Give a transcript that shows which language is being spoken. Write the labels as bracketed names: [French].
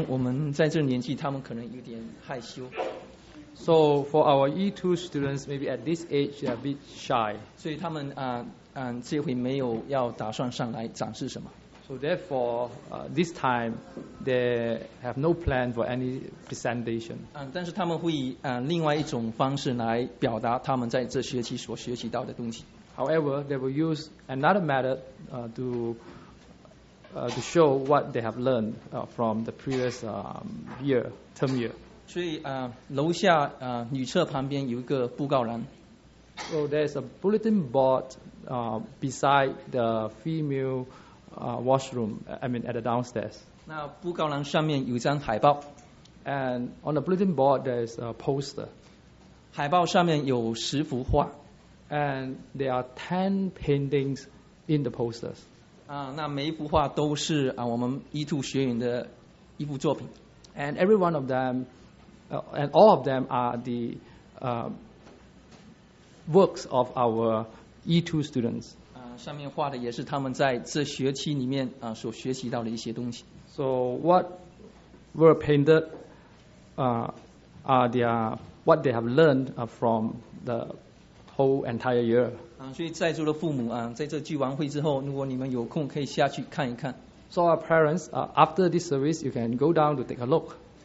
[Chinese] 接下来是少年班。E2的学员，我们在这年纪，他们可能有点害羞。 [English] So for our E2 students, maybe at this age, they're a bit shy. [Chinese] 所以他们这回没有要打算上来展示什么。 [English] So therefore, this time, they have no plan for any presentation. [Chinese] 但是他们会以另外一种方式来表达他们在这学期所学习到的东西。 [English] However, they will use another method to show what they have learned from the previous year, term year. [Chinese] 所以楼下女厕旁边有一个布告栏。 [English] So there's a bulletin board beside the female washroom, at the downstairs. [Chinese] 那布告栏上面有张海报。 [English] And on the bulletin board, there's a poster. [Chinese] 海报上面有10幅画。 [English] And there are 10 paintings in the posters. [Chinese] 那每一幅画都是 我们E2学员的一幅作品。 [English] And every one of them, and all of them are the works of our E2 students. [Chinese] 上面画的也是他们在这学期里面 所学习到的一些东西。 [English] So what were painted what they have learned from the whole entire year. [Chinese] 所以在座的父母 在这聚完会之后 如果你们有空可以下去看一看。 [English] So our parents after this service you can go down to take a look.